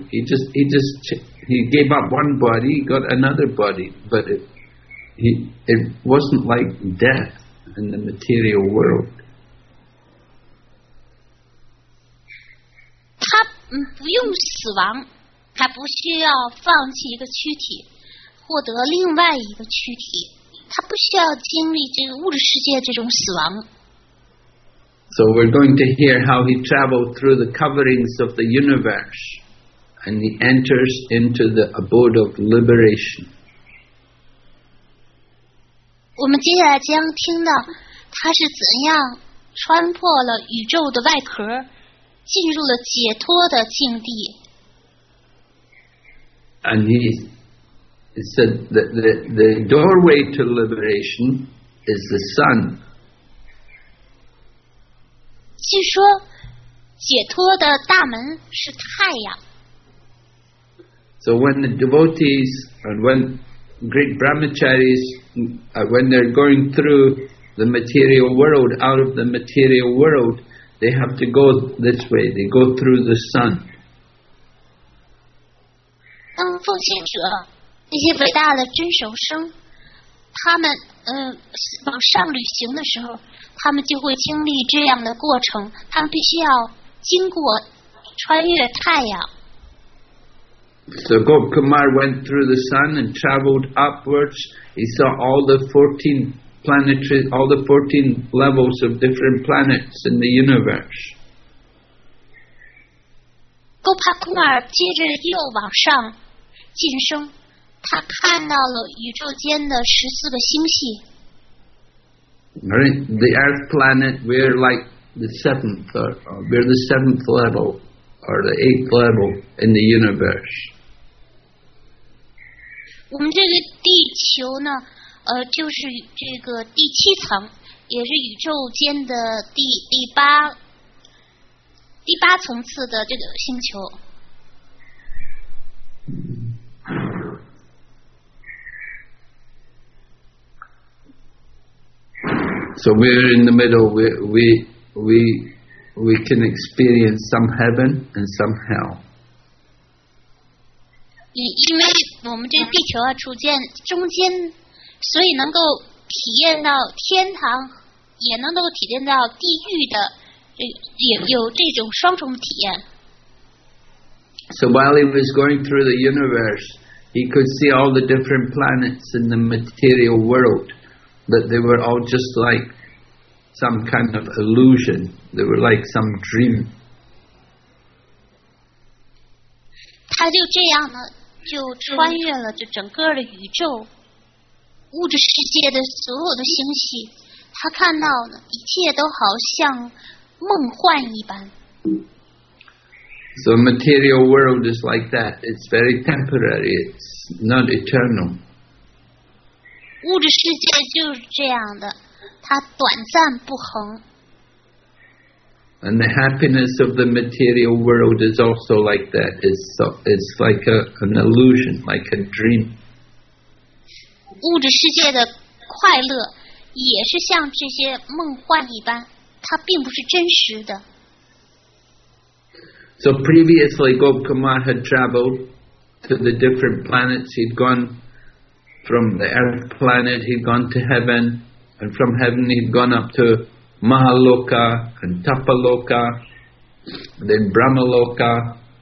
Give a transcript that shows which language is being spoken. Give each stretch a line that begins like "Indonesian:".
English: He gave up one body, got another body, but it wasn't like death in the material world.
Chinese: 他不用死亡，他不需要放弃一个躯体，获得另外一个躯体。他不需要经历这个物质世界这种死亡。
English: So we're going to hear how he traveled through the coverings of the universe, and he enters into the abode of liberation.
Chinese: 我们接下来将听到他是怎样穿破了宇宙的外壳，进入了解脱的境地。
English: And he. It said that the doorway to liberation is the sun.
Chinese: 据说解脱的大门是太阳。
English: So when the devotees and when great brahmacharis, when they're going through the material world, out of the material world, they have to go this way. They go through the sun.
Chinese: 当奉献者那些伟大的真守生，他们往上旅行的时候，他们就会经历这样的过程。他们必须要经过穿越太阳。
English: So Gopkumar went through the sun and traveled upwards. He saw all the 14 planetary, all the 14 levels of different planets in the universe.
Chinese: Gopkumar 接着又往上晋升。他看到了宇宙间的十四个星系。
English: Right, the Earth planet, we're like the seventh, or we're the seventh level, or the eighth level in the universe.
Chinese: 我们这个地球呢，就是这个第七层，也是宇宙间的第八层次的这个星球。
English: So we're in the middle. We we can experience some heaven and some hell.
Chinese: 因为我们这个地球啊处在中间，所以能够体验到天堂，也能够体验到地狱的，也有这种双重体验。
English: So while he was going through the universe, he could see all the different planets in the material world, but they were all just like some kind of illusion. They were like some dream.
Chinese: 他就这样呢，就穿越了这整个的宇宙，物质世界的所有的星系，他看到呢，一切都好像梦幻一般。
English: So the material world is like that. It's very temporary. It's not eternal.
Chinese: 物质世界就是这样的，它短暂不恒。
English: And the happiness of the material world is also like that. It's like an illusion, like a dream.
Chinese: 物质世界的快乐也是像这些梦幻一般，它并不是真实的。
English: So previously, Gop Kumar had traveled to the different planets. He'd gone from the Earth planet, he'd gone to heaven, and from heaven he'd gone up to Mahaloka and Tapaloka, then Brahmaloka.